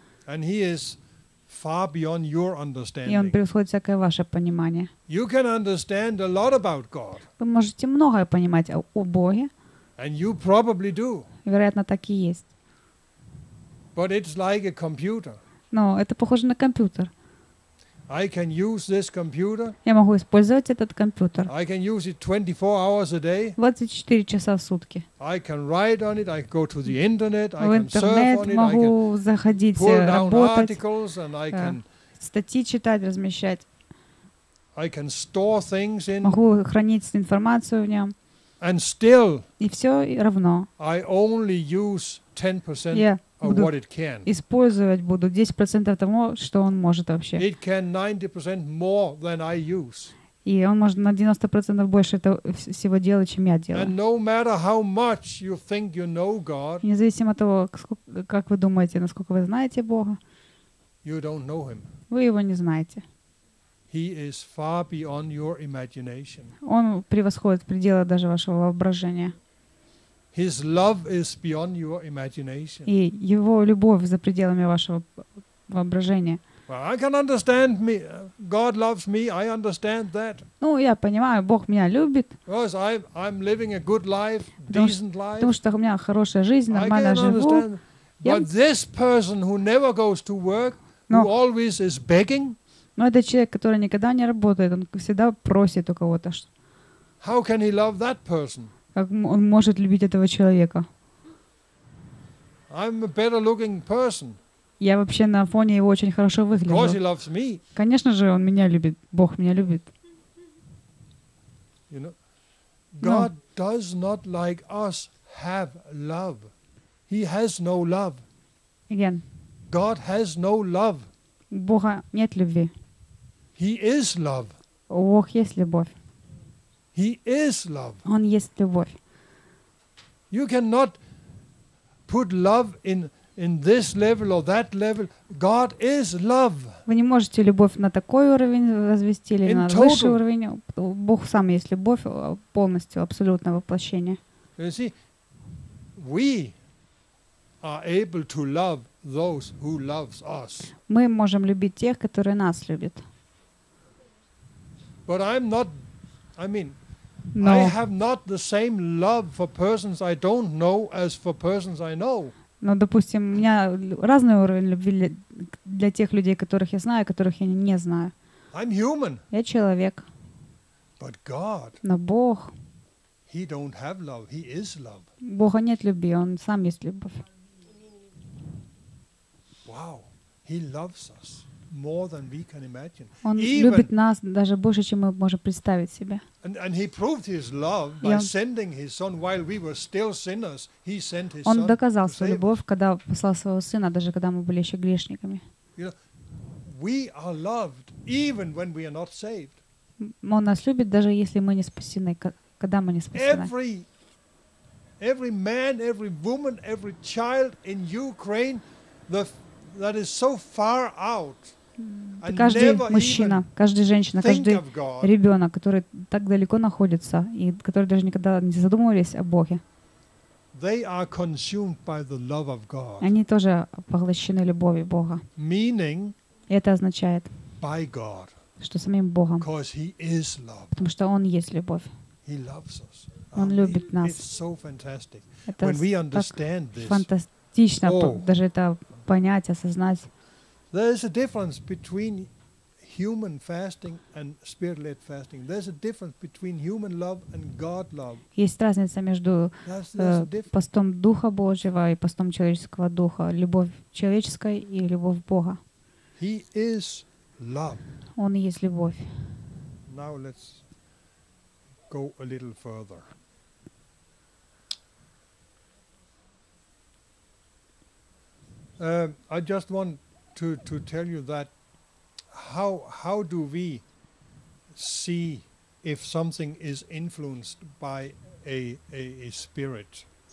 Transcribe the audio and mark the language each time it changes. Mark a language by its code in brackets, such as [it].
[en] And he is far beyond your understanding. [ru] И он превосходит всякое ваше понимание. [en] You can understand a lot about God. [ru] Вы можете многое понимать о Боге. [en] And you probably do. [ru] Вероятно, так и есть. [en] But it's like a computer. [ru] Но это похоже на компьютер. [en] I can use this computer. [ru] Я могу использовать этот компьютер. [en] I can use it 24 hours a day. [ru] 24 часа в сутки. [en] I can write on it. I go to the internet. [ru] В интернет могу заходить, работать. [en] Pull down articles and I can. [ru] Статьи читать, размещать. [en] I can store things in. [ru] Могу хранить информацию в нем. [en] And still. [ru] И все равно. [en] I only use 10%. Yeah. [ru] Использовать буду 10% того, что он может вообще. [en] It can 90% more than I use. [ru] И он может на 90% больше этого всего делать, чем я делаю. [en] And no matter how much you think you know God. [ru] Независимо от того, как вы думаете, насколько вы знаете Бога. [en] You don't know him. [ru] Вы его не знаете. [en] He is far beyond your imagination. [ru] Он превосходит пределы даже вашего воображения. [en] His love is beyond your imagination. [ru] И его любовь за пределами вашего воображения. [en] Well, I can understand me. God loves me. I understand that. [ru] Ну, я понимаю, Бог меня любит. [en] Because I'm living a good life, decent life. [ru] Потому что у меня хорошая жизнь, нормально живу. [en] But this person who never goes to work, who always is begging. [ru] Но этот человек, который никогда не работает, он всегда просит у кого-то что. [en] How can he love that person? [ru] Как он может любить этого человека? [en] I'm a better looking person. [ru] Я вообще на фоне его очень хорошо выгляжу. [en] Because he loves me. [ru] Конечно же, он меня любит. Бог меня любит. [en] You know, God does not like us have love. He has no love. Again. God has no love. [ru] У Бога нет любви. [en] He is love. [ru] Бог есть любовь. [en] He is love. [ru] Он есть любовь. [en] You cannot put love in this level or that level. God is love. [ru] Вы не можете любовь на такой уровень развести или на высший уровень. Бог сам есть любовь полностью, абсолютное воплощение. [en] You see, we are able to love those who loves us. [ru] Мы можем любить тех, которые нас любят. [en] But I'm not. I mean. No. I have not the same love for persons I don't know as for persons I know. [ru] Но, допустим, у меня разный уровень любви для тех людей, которых я знаю, которых я не знаю. [en] I'm human. [ru] Я человек. [en] But God. [ru] Но Бог. [en] He don't have love. He is love. [ru] Бога нет любви, он сам есть любовь. [en] Wow. He loves us more than we can imagine. [ru] Он любит нас даже больше, чем мы можем представить себе. [en] And he proved his love by sending his son while we were still sinners. He sent his son. [ru] Он доказал свою любовь, когда послал своего сына, даже когда мы были еще грешниками. [en] You know, we are loved even when we are not saved. [ru] Он нас любит даже если мы не спасены, когда мы не спасены. [en] Every man, every woman, every child in Ukraine, that is so far out. [ru] Каждый мужчина, каждая женщина, каждый ребенок, который так далеко находится и который даже никогда не задумывались о Боге, [en] they are consumed by the love of God. [ru] Они тоже поглощены любовью Бога. [en] Meaning, [ru] это означает, [en] by God, [ru] что самим Богом, [en] because he is love. [ru] Потому что Он есть любовь. [en] He loves us. [ru] Он любит нас. [en] It's so fantastic. [ru] Это [en] when we understand this, [ru] фантастично, даже это понять, осознать. [en] There is a difference between human fasting and spirit-led fasting. There's a difference between human love and God love. [ru] Есть разница между постом Духа Божьего и постом человеческого духа, любовь человеческой и любовь Бога. [en] He is love. [ru] Он есть любовь. [en] Now let's go a little further. I just want to tell you that how do we see if something is influenced by a spirit?